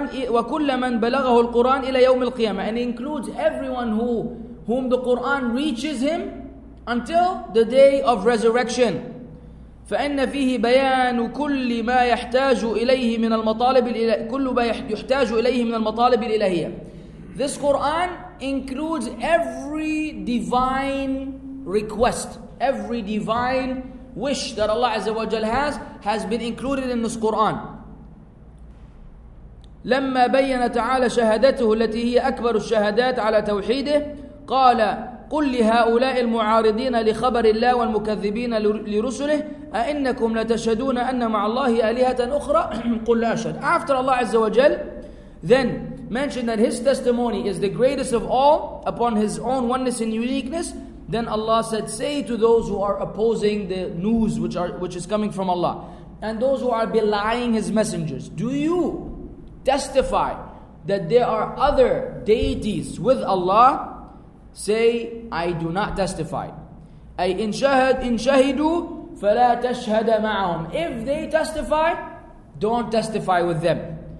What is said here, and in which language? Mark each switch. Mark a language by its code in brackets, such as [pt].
[ar] وكل من بلغه القرآن إلى يوم القيامة. [en] And it includes everyone whom the Quran reaches him until the day of resurrection. [ar] فإن فيه بيان كل ما يحتاج إليه من المطالب كل ما يحتاج إليه من المطالب الإلهية. [en] This Quran includes every divine request, every divine wish that Allah عز وجل has been included in this Quran. [ar] لما بين تعالى شهادته التي هي أكبر الشهادات على توحيده قال قل لهؤلاء المعارضين لخبر الله والمكذبين لرسله أئنكم لتشهدون أن مع الله آلهة أخرى قل لا أشهد. [en] After Allah Azza wa Jal then mentioned that his testimony is the greatest of all upon his own oneness and uniqueness, then Allah said, say to those who are opposing the news which is coming from Allah and those who are belying his messengers, do you testify that there are other deities with Allah? Say, I do not testify. [ar] أي إن شهدوا فلا تشهد معهم. [en] If they testify, don't testify with them.